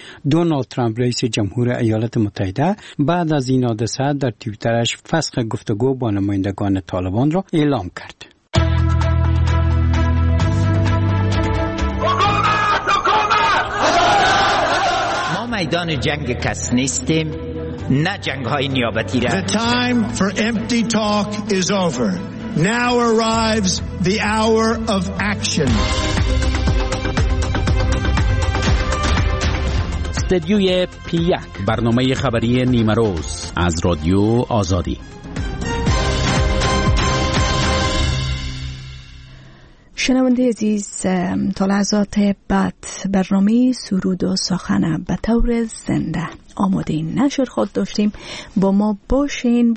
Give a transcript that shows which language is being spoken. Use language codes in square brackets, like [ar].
[fa] دونالد ترامپ رئیس جمهور ایالات متحده بعد از این حادثه در توییترش فسخ گفتگو با نمایندگان طالبان را اعلام کرد. ما میدان جنگ کس نیستیم، نه جنگ های نیابتی را. [en] The time for empty talk is over. Now arrives the hour of action. [fa] استدیوی پیک، برنامه خبری نیمه روز از رادیو آزادی. شنونده عزیز، تا لحظات بعد برنامه سرود و سخن به طور زنده آماده نشر خود داشتیم، با ما باشین.